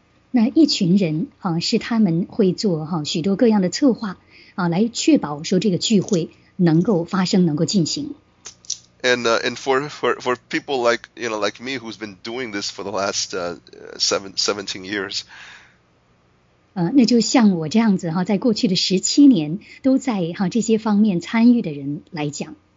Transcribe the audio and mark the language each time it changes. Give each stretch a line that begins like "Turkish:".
Chinese: 那一群人是他们会做许多各样的策划来确保说这个聚会能够发生，能够进行。
English: And for people like me who's been doing this for the last 17 years.
Chinese: 那就像我这样子在过去的17年都在这些方面参与的人来讲。